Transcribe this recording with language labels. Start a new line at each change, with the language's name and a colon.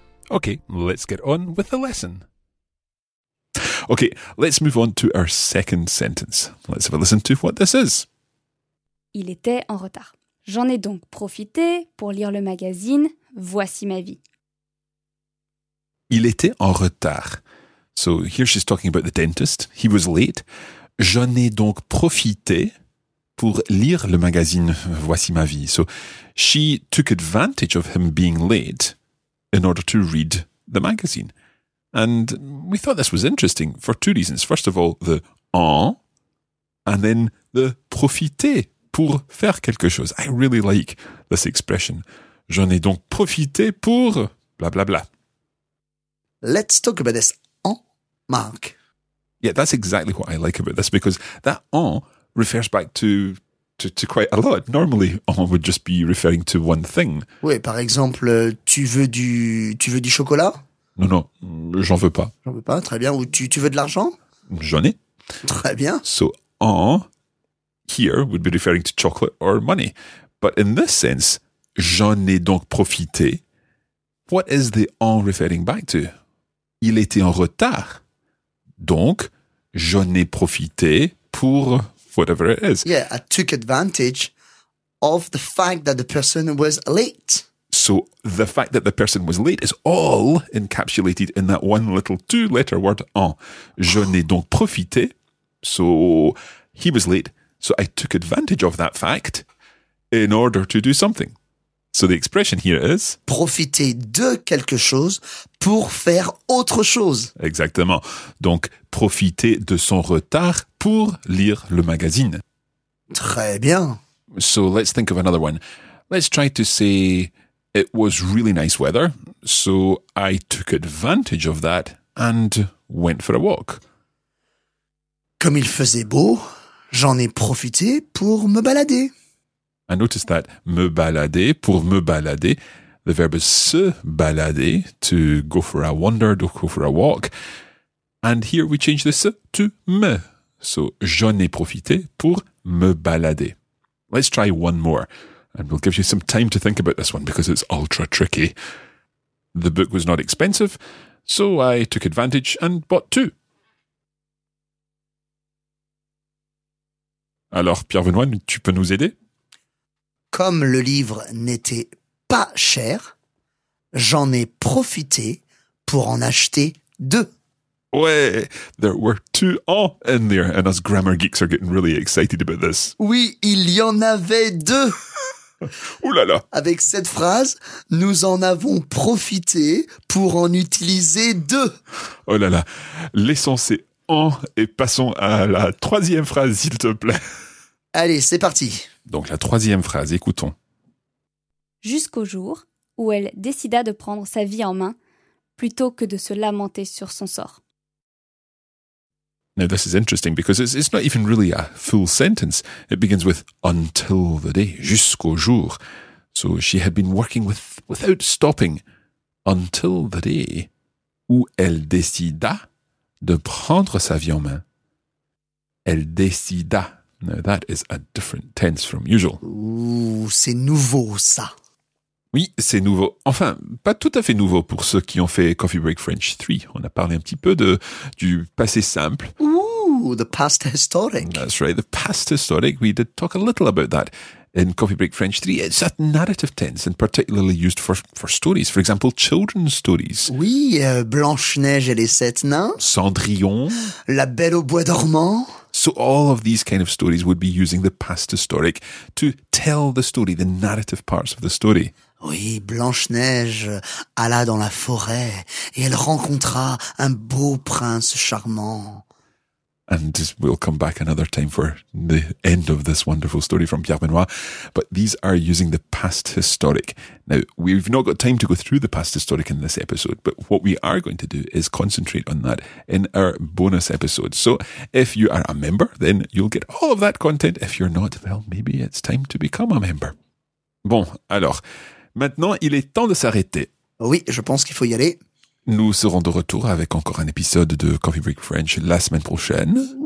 English: Okay, let's get on with the lesson. Okay, let's move on to our second sentence. Let's have a listen to what this is.
French: Il était en retard. J'en ai donc profité pour lire le magazine Voici ma vie. Il était en retard.
English: So here she's talking about the dentist. He was late.
French: J'en ai donc profité pour lire le magazine Voici ma vie.
English: So she took advantage of him being late in order to read the magazine. And we thought this was interesting for two reasons. First of all, the en, and then the profiter,
French: pour faire quelque chose.
English: I really like this expression.
French: J'en ai donc profité pour
English: blah, blah, blah. Let's talk about this en, Marc. Yeah, that's exactly what I like about this, because that en refers back to quite a lot. Normally, on would just be referring to one thing.
French: Oui, par exemple, tu veux du chocolat? Non, non, j'en veux pas. J'en veux pas, très bien. Ou tu veux de l'argent? J'en ai. Très bien.
English: So, en, here, would be referring to chocolate or money. But in this sense,
French: j'en ai donc profité.
English: What is the en referring back to?
French: Il était en retard. Donc, j'en ai profité pour
English: whatever it is. Yeah, I took advantage of the fact that the person was late. So the fact that the person was late is all encapsulated in that one little two-letter word, en.
French: Je n'ai donc profité.
English: So he was late. So I took advantage of that fact in order to do something. So the expression here is...
French: Profiter de quelque chose pour faire autre chose. Exactement. Donc, profiter de son retard pour lire le magazine. Très bien. So let's think of another one. Let's try to say...
English: It was really nice weather, so I took advantage of that and went for a walk.
French: Comme il faisait beau, j'en ai profité pour me balader.
English: I noticed that me balader,
French: pour me balader,
English: the verb is se balader, to go for a wander, to go for a walk. And here we change the se to me. So
French: j'en ai profité pour me balader.
English: Let's try one more. And we'll give you some time to think about this one because it's ultra tricky. The book was not expensive, so I took advantage and bought two.
French: Alors, Pierre-Benoît, tu peux nous aider? Comme le livre n'était pas cher, j'en ai profité pour en acheter deux.
English: Ouais, there were two en in there, and us grammar geeks are getting really excited about this.
French: Oui, il y en avait deux. Ouh là là. Avec cette phrase, nous en avons profité pour en utiliser deux. Oh là là, laissons ces en et passons à la troisième phrase, s'il te plaît. Allez, c'est parti. Donc la troisième phrase, écoutons. Jusqu'au jour où elle décida de prendre sa vie en main plutôt que de se lamenter sur son sort.
English: Now this is interesting because it's not even really a full sentence. It begins with until the day,
French: jusqu'au jour.
English: So she had been working without stopping until the day
French: où elle décida de prendre sa vie en main. Elle décida.
English: Now that is a different tense from usual.
French: Ooh, c'est nouveau ça. Oui, c'est nouveau. Enfin, pas tout à fait nouveau pour ceux qui ont fait Coffee Break French 3. On a parlé un petit peu du passé simple.
English: Ooh, the past historic. That's right, the past historic. We did talk a little about that in Coffee Break French 3. It's a narrative tense and particularly used for stories. For example, children's stories.
French: Oui, Blanche-Neige et les Sept Nains. Cendrillon. La Belle au Bois Dormant.
English: So all of these kind of stories would be using the past historic to tell the story, the narrative parts of the story.
French: Oui, Blanche-Neige alla dans la forêt et elle rencontra un beau prince charmant.
English: And we'll come back another time for the end of this wonderful story from Pierre Benoît. But these are using the past historic. Now, we've not got time to go through the past historic in this episode, but what we are going to do is concentrate on that in our bonus episode. So if you are a member, then you'll get all of that content. If you're not, well, maybe it's time to become a member.
French: Bon, alors, maintenant, il est temps de s'arrêter. Oui, je pense qu'il faut y aller. Nous serons de retour avec encore un épisode de Coffee Break French la semaine prochaine.